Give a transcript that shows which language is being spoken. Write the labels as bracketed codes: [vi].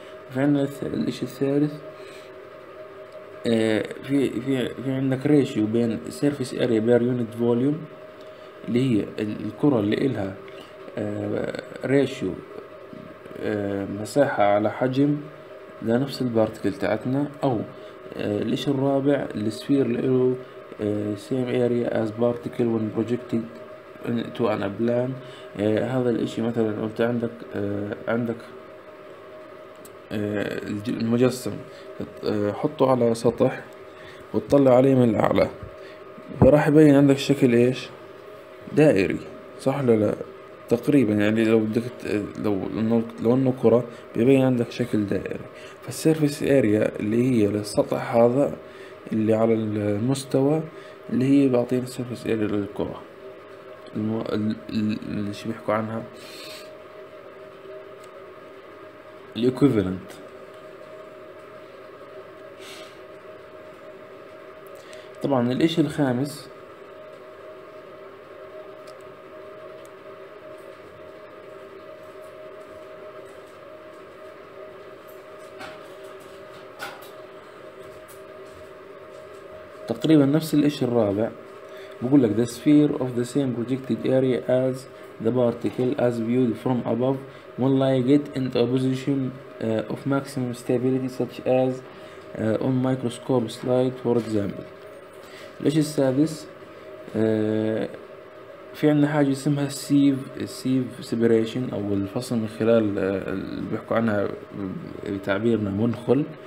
[ar] في عندنا الاشي الثالث، في عندك ريشيو بين [en] السيرفيس area per unit volume [ar] اللي هي الكرة اللي لها ريشيو مساحة على حجم لنفس البارتكل تاعتنا، او الإشي الرابع السفير اللي له [en] same area as particle when projected to an plan. [ar] هذا الإشي مثلا قلت عندك عندك المجسم حطه على سطح وتطلع عليه من الأعلى، فراح يبين عندك شكل إيش؟ دائري، صح ولا لا؟ تقريبا يعني لو بدك لو انه كرة بيبين عندك شكل دائري. فالسيرفيس اريا اللي هي للسطح هذا اللي على المستوى اللي هي بعطينا السيرفيس اريا للكرة اللي شو بيحكوا عنها الاكويفالنت. طبعا الاشي الخامس تقريبا نفس الاشي الرابع بقول لك [en] the sphere of the same projected area as the particle as viewed from above when lighted in a position of maximum stability such as on microscope slide for example. [ar] الاشي السادس في عندنا حاجة اسمها sieve separation او الفصل من خلال اللي بيحكوا عنها بتعبيرنا منخل.